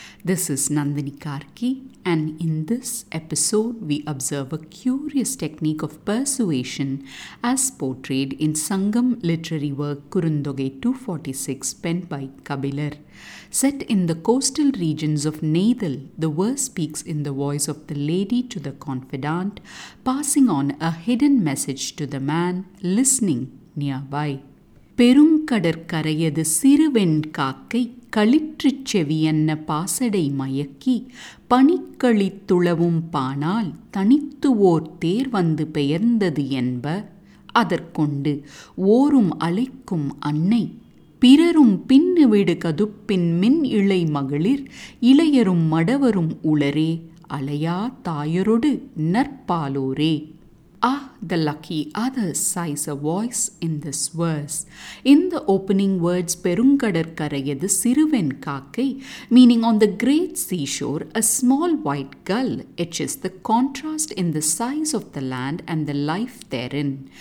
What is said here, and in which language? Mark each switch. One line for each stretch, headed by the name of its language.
English: This is Nandini Karki, and in this episode we observe a curious technique of persuasion as portrayed in Sangam literary work Kurundogai 246 penned by Kabilar. Set in the coastal regions of Nadal, the verse speaks in the voice of the lady to the confidant, passing on a hidden message to the man listening nearby.
Tamil: பெருங்கடற்கரையது சிறுவெண் காக்கை களிற்றுச் செவியன்ன பாசடை மயக்கி பனிக்களித்துளவும் பானால் தனித்துவோர் தேர் வந்து பெயர்ந்தது என்ப அதற்கொண்டு ஓரும் அழைக்கும் அன்னை பிறரும் பின்னுவிடு கதுப்பின் மின் இளை மகளிர் இளையரும் மடவரும் உளரே அலையா தாயரொடு நற்பாலோரே.
English: Ah, the lucky others sighs a voice in this verse. In the opening words, Perungadar Karayadu Siruven Kakai, meaning on the great seashore, a small white gull etches the contrast in the size of the land and the life therein.